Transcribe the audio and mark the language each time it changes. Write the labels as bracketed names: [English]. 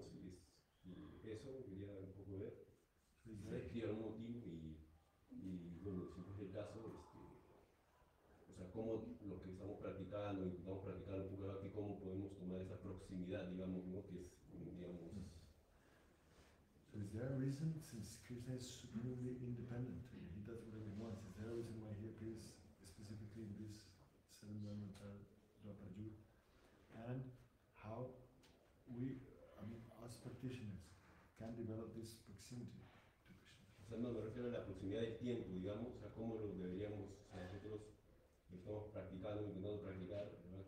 [Spanish] Si es eso, quería un poco ver. Si se describe algún motivo y bueno, si es el caso, o sea, cómo lo que estamos practicando, intentamos practicar un poco aquí, cómo podemos tomar esa proximidad, digamos, ¿no? Que es, digamos... [English] So is there a reason, since Krishna is supremely independent, he does whatever he wants, is there a reason why he appears specifically in this transcendental Rupa Yuga, and how we, I mean, us practitioners can develop this proximity to Krishna. [Spanish] O sea, no me refiero a la proximidad del tiempo, digamos, o sea, cómo lo deberíamos, o sea, nosotros que estamos practicando y intentando practicar, ¿verdad?